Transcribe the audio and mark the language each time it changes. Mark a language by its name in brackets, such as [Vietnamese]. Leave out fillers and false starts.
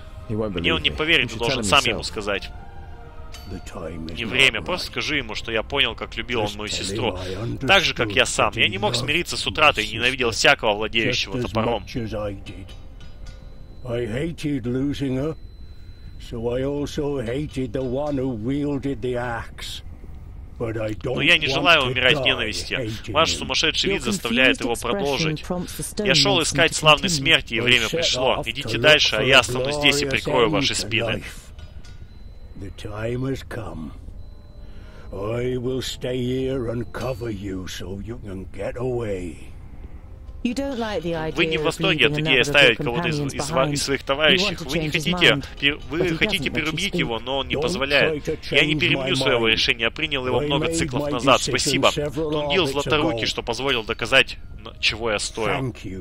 [Russian] Мне он не поверит, он должен сам ему сказать. Не время, просто скажи ему, что я понял, как любил он мою сестру. Так же, как я сам. Я не мог смириться с утратой и ненавидел всякого владеющего топором. [English] I hated losing her, so I also hated the one who wielded the axe. But I don't want to. [Russian] Но я не желаю умирать в ненависти. Ваш сумасшедший вид заставляет его продолжить. Я шел искать славной смерти, и время пришло. Идите дальше, а я останусь здесь и прикрою ваши спины. [English] The time has come. I will stay here and cover you, so you can get away. [Russian] Вы не в восторге от идеи оставить кого-то из своих товарищей. Вы хотите перерубить его, но он не позволяет. Я не перебью своего решения, я принял его много циклов назад. Спасибо. Тундил Златоруки, что позволил доказать, чего я стою.